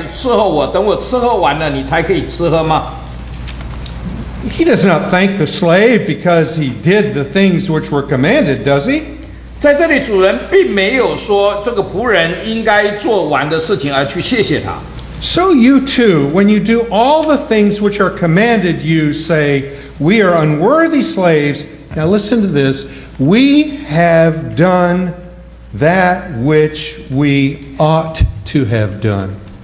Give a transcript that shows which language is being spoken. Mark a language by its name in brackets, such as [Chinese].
[Chinese] 第八节，岂不对他说，你给我先预备晚饭，束上带子伺候我，等我伺候完了，你才可以吃喝吗？ [English] He does not thank the slave because he did the things which were commanded, does he? [Chinese] 在这里主人并没有说这个仆人应该做完的事情而去谢谢他。 [English] So you too, when you do all the things which are commanded you, say, we are unworthy slaves. Now listen to this. We have done that which we ought to have done.